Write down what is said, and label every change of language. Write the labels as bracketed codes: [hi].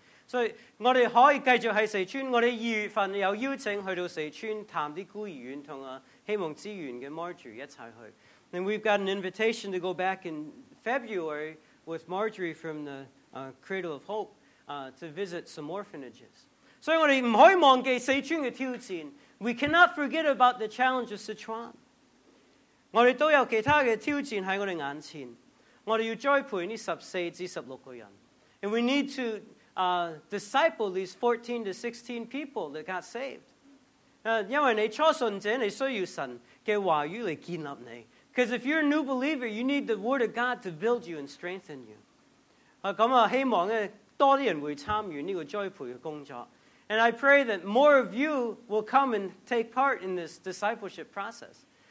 [yue] 所以我哋可以繼續喺四川，我哋二月份有邀請去到四川探啲孤兒院，同啊希望之園嘅 Marjorie 一齊去。 [en] And we've got an invitation to go back in February with Marjorie from the Cradle of Hope to visit some orphanages. [yue] 所以我哋唔可以忘記四川嘅挑戰。 [en] We cannot forget about the challenge of Sichuan. [yue] 我哋都有其他嘅挑戰喺我哋眼前。我哋要栽培呢14-16個人 ， [en] and we need to. Disciple these 14 to 16 people that got saved. [yue] 因為你初信者，你需要神嘅話語嚟建立你。 [en] Because if you're a new believer, you need the Word of God to build you and strengthen you. [yue] 咁啊，希望咧多啲人會參與呢個栽培嘅工作。 [en] And I pray that more of you will come and take part in this discipleship process.